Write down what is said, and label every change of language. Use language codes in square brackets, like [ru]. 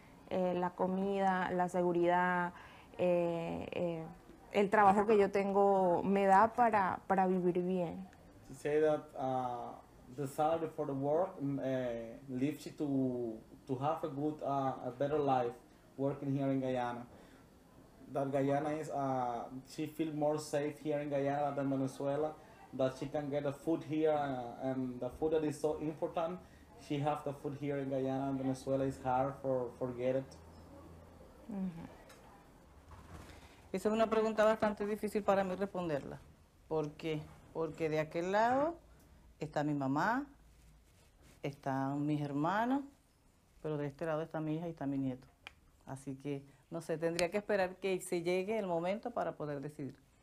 [es] La comida, la seguridad, el trabajo que yo tengo me da para vivir bien. [en] She said that the salary for the work leaves you to have a good, a better life working here in Guyana. That Guyana is, she feels more safe here in Guyana than Venezuela, that she can get the food here, and the food that is so important, she has the food here in Guyana, and Venezuela is hard for get it. Mm-hmm. [es] Esa es una pregunta bastante difícil para mí responderla. ¿Por qué? Porque de aquel lado está mi mamá, están mis hermanos, pero de este lado está mi hija y está mi nieto. Así que no sé, tendría que esperar que se llegue el momento para poder decidir.